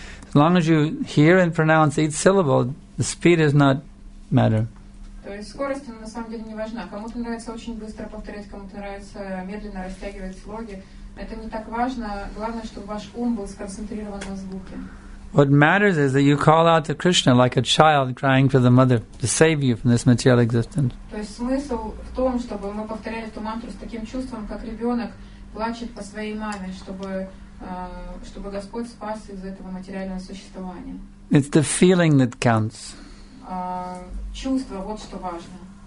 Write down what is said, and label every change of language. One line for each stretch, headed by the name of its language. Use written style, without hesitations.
English: As long as you hear and pronounce each syllable, the speed does not matter.
Russian: То есть скорость, на самом деле, не важна. Кому-то нравится очень быстро повторять, кому-то нравится медленно растягивать слоги. Это не так важно. Главное, чтобы ваш ум был сконцентрирован на звуке.
English: What matters is that you call out to Krishna like a child crying for the mother to save you from this material existence.
Russian: То есть смысл в том, чтобы мы повторяли эту мантру с таким чувством, как ребенок плачет по своей маме, чтобы Господь спас из этого материального существования.
English: It's the feeling that counts.
Russian: Чувство, вот что важно.